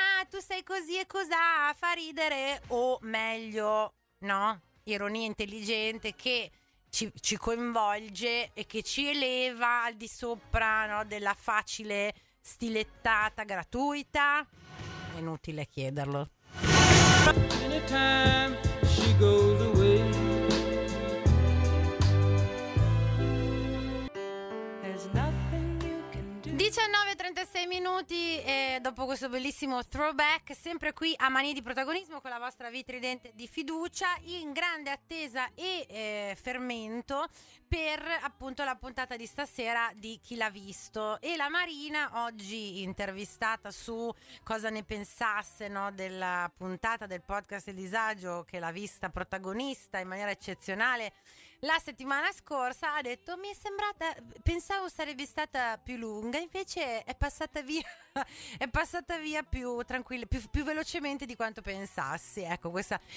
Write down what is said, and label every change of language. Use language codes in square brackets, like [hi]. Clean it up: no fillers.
[it] tu sei così e cos'ha, fa ridere? O meglio, no? Ironia intelligente che ci coinvolge e che ci eleva al di sopra, no, della facile stilettata gratuita. È inutile chiederlo. [en] Anytime she goes away, there's nothing you can do. [it] 19:36 minuti e dopo questo bellissimo throwback, sempre qui a Manie di Protagonismo con la vostra vitridente di fiducia, in grande attesa e fermento per appunto la puntata di stasera di Chi l'ha visto. E la Marina, oggi intervistata su cosa ne pensasse, no, della puntata del podcast Il Disagio, che l'ha vista protagonista in maniera eccezionale la settimana scorsa, ha detto: mi è sembrata, pensavo sarebbe stata più lunga, invece è passata via più tranquilla, più velocemente di quanto pensassi. Ecco questa.